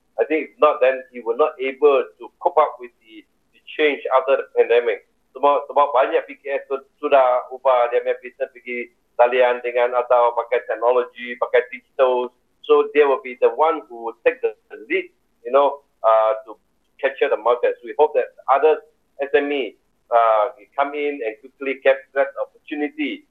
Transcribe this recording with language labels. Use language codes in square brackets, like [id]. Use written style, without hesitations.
[en] I think if not, then he will not able to cope up with the change after the pandemic. [ms] Sebab banyak PKS sudah ubah dia punya business pergi talian dengan atau pakai teknologi, pakai digital. [en] So they will be the one who take the lead, you know, to capture the market. So we hope that other SME come in and quickly capture that opportunity.